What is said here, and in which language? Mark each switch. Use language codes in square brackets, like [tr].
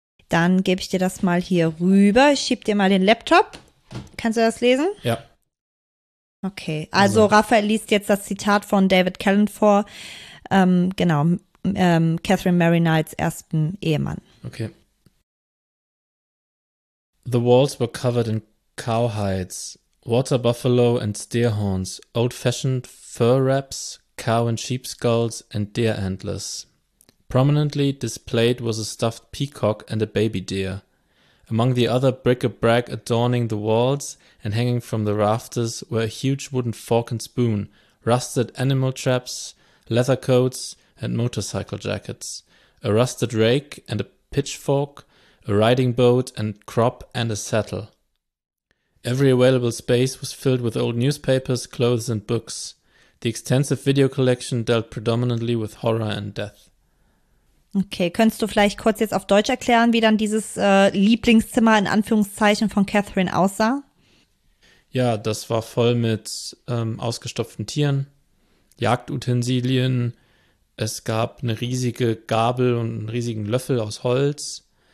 [de] Dann gebe ich dir das mal hier rüber. Ich schieb dir mal den Laptop. Kannst du das lesen? Ja. Okay, also Raphael liest jetzt das Zitat von David Callan vor. Catherine Mary Knights ersten Ehemann. Okay. [en] The walls were covered in cow hides, water buffalo and deer horns, old-fashioned fur wraps, cow and sheep skulls and deer antlers. Prominently displayed was a stuffed peacock and a baby deer. Among the other bric-a-brac adorning the walls and hanging from the rafters were a huge wooden fork and spoon, rusted animal traps, leather coats and motorcycle jackets, a rusted rake and a pitchfork, a riding boat and crop and a saddle. Every available space was filled with old newspapers, clothes and books. The extensive video collection dealt predominantly with horror and death. [de] Okay, könntest du vielleicht kurz jetzt auf Deutsch erklären, wie dann dieses Lieblingszimmer in Anführungszeichen von Catherine aussah? Ja, das war voll mit ausgestopften Tieren, Jagdutensilien. Es gab eine riesige Gabel und einen riesigen Löffel aus Holz.